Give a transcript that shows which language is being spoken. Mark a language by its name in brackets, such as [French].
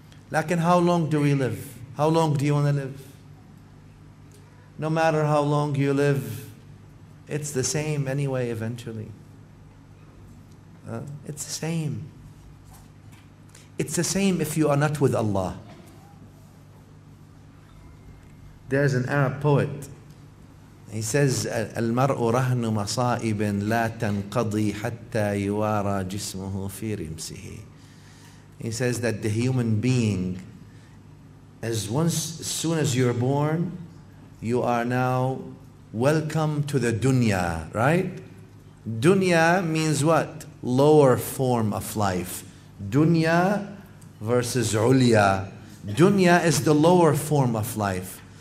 [English] Lakin how long do we live? How long do you want to live? No matter how long you live, it's the same anyway eventually. It's the same. It's the same if you are not with Allah. There's an Arab poet. [Arabic] He says, المرء رهن مصائب لا تنقضي حتى يوارى جسمه في رمسه. [English] He says that the human being, as soon as you're born, you are now welcome to the dunya, right? Dunya means what? Lower form of life. Dunya versus ulya. Dunya is the lower form of life.